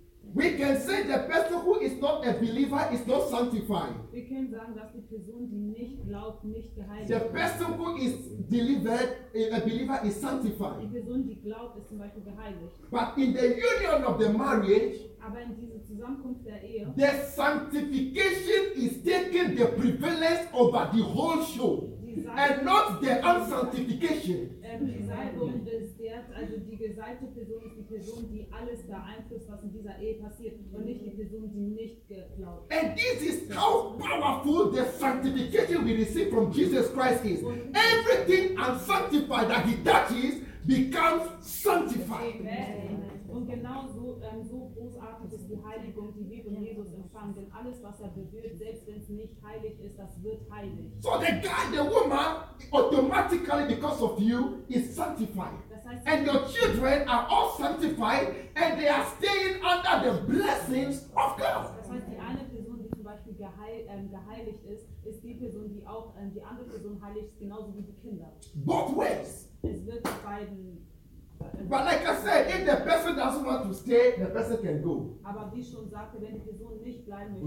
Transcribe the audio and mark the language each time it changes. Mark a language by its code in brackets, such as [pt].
[en] We can say the person who is not a believer is not sanctified. [de] Wir können sagen, dass die Person, die nicht glaubt, nicht geheiligt ist. [en] The person who is delivered, a believer, is sanctified. [de] Die Person, die glaubt, ist zum Beispiel geheiligt. [en] But in the union of the marriage, [de] aber in diese Zusammenkunft der Ehe, [en] the sanctification is taking the prevalence over the whole show. And not the unsanctification. [de] Die Salbung ist der, also die gesalbte Person ist die Person, die alles beeinflusst, was in dieser Ehe passiert, und nicht die Person, die nicht glaubt. [en] And this is how powerful the sanctification we receive from Jesus Christ is. Everything unsanctified that he touches becomes sanctified. [de] Und genau so, so großartig ist die Heiligung, die wir von Jesus empfangen. Denn alles, was berührt, selbst wenn es nicht heilig ist, das wird heilig. [en] So the guy, the woman, automatically because of you, is sanctified. [de] Das heißt, [en] and your children are all sanctified and they are staying under the blessings of God. [de] Das heißt, die eine Person, die zum Beispiel geheiligt ist, ist die Person, die auch die andere Person heiligt, genauso wie die Kinder. [en] Both ways. [de] Es wird die beiden. [en] But like I said, if the person doesn't want to stay, the person can go. [de] Aber wie schon sagte, wenn die Person nicht bleiben möchte,